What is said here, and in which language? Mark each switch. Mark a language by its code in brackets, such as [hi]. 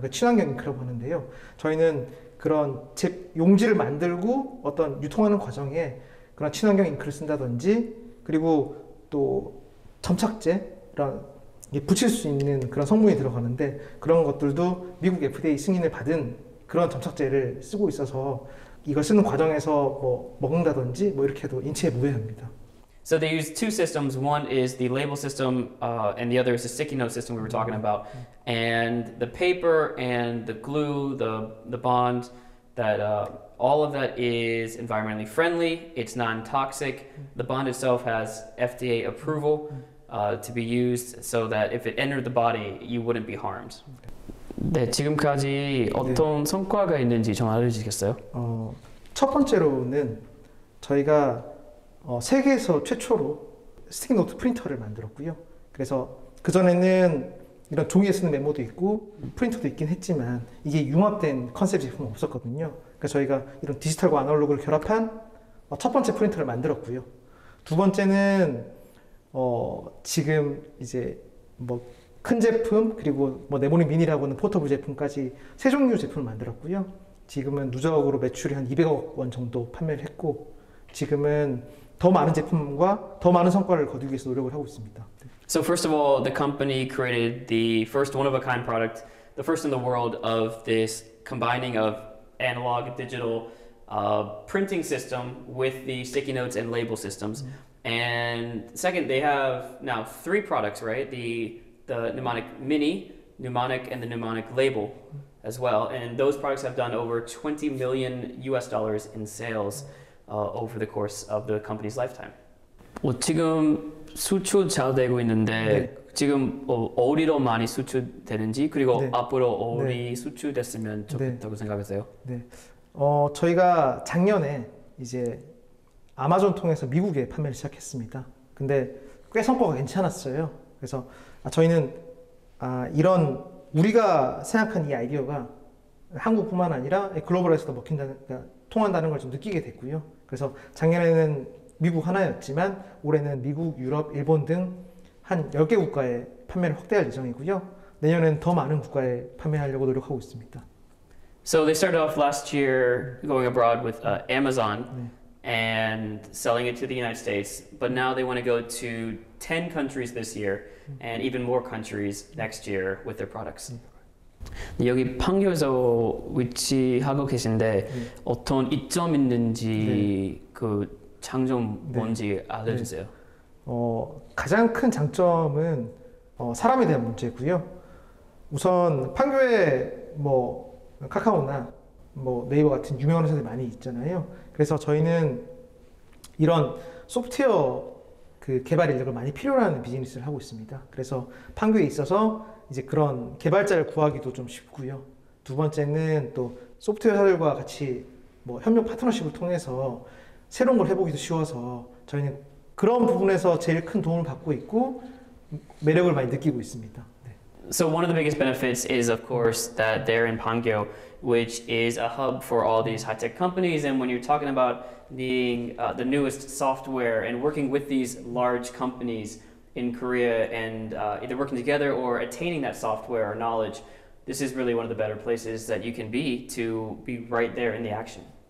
[ko] 그 친환경 잉크라고 하는데요. 저희는 그런 제 용지를 만들고 어떤 유통하는 과정에 그런 친환경 잉크를 쓴다든지 그리고 또 점착제 그런 붙일 수 있는 그런 성분이 들어가는데 그런 것들도 미국 FDA 승인을 받은 그런 점착제를 쓰고 있어서 이걸 쓰는 과정에서 뭐 먹는다든지 뭐 이렇게 해도 인체에 무해합니다. [en] So they use two systems. One is the label system, and the other is the sticky note system we were talking about. And the paper and the glue, the bond, that all of that is environmentally friendly. It's non-toxic. The bond itself has FDA approval to be used so that if it entered the body, you wouldn't be harmed. [ko] 네, 지금까지 어떤 성과가 있는지 좀 알려주시겠어요? 첫 번째로는 저희가 세계에서 최초로 스티키 노트 프린터를 만들었고요. 그래서 그전에는 이런 종이에 쓰는 메모도 있고 프린터도 있긴 했지만 이게 융합된 컨셉 제품은 없었거든요. 그래서 저희가 이런 디지털과 아날로그를 결합한 첫 번째 프린터를 만들었고요. 두 번째는 지금 이제 뭐 큰 제품 그리고 뭐 네모닉 미니라고는 포터블 제품까지 세 종류 제품을 만들었고요. 지금은 누적으로 매출이 한 200억 원 정도 판매를 했고 지금은 더 많은 제품과 더 많은 성과를 거두기 위해서 노력을 하고 있습니다. [en] So first of all, the company created the first one-of-a-kind product, the first in the world of this combining of analog digital printing system with the sticky notes and label systems. Mm-hmm. And second, they have now three products, right? The Nemonic Mini, Nemonic, and the Nemonic Label as well. And those products have done over $20 million in sales over the course of the company's lifetime. [ko] 뭐 지금 수출 잘 되고 있는데 네. 지금 어디로 많이 수출되는지 그리고 네. 앞으로 어디 네. 수출됐으면 좋겠다고 네. 생각하세요? 네. 저희가 작년에 이제 아마존 통해서 미국에 판매를 시작했습니다. 근데 꽤 성과가 괜찮았어요. 그래서 저희는 이런 우리가 생각한 이 아이디어가 한국뿐만 아니라 글로벌에서도 먹힌다는 그러니까 통한다는 걸 좀 느끼게 됐고요. 그래서 작년에는 미국 하나였지만 올해는 미국, 유럽, 일본 등 한 10개 국가에 판매를 확대할 예정이고요. 내년에는 더 많은 국가에 판매하려고 노력하고 있습니다. [en] So they started off last year going abroad with Amazon 네. and selling it to the United States, but now they want to go to 10 countries this year and even more countries next year with their products. [ko] 네, 여기 판교에서 위치하고 계신데 네. 어떤 이점 있는지 네. 그 장점 뭔지 네. 알려주세요. 네. 가장 큰 장점은 사람에 대한 문제고요. 우선 판교에 뭐 카카오나 뭐 네이버 같은 유명한 회사들이 많이 있잖아요. 그래서 저희는 이런 소프트웨어 그 개발 인력을 많이 필요로 하는 비즈니스를 하고 있습니다. 그래서 판교에 있어서 이제 그런 개발자를 구하기도 좀 쉽고요. 두 번째는 또 소프트웨어사들과 같이 뭐 협력 파트너십을 통해서 새로운 걸 해보기도 쉬워서 저희는 그런 부분에서 제일 큰 도움을 받고 있고 매력을 많이 느끼고 있습니다. [en] So one of the biggest benefits is, of course, that they're in Pangyo, which is a hub for all these high-tech companies. And when you're talking about needing the newest software and working with these large companies in Korea and either working together or attaining that software or knowledge, this is really one of the better places that you can be to be right there in the action.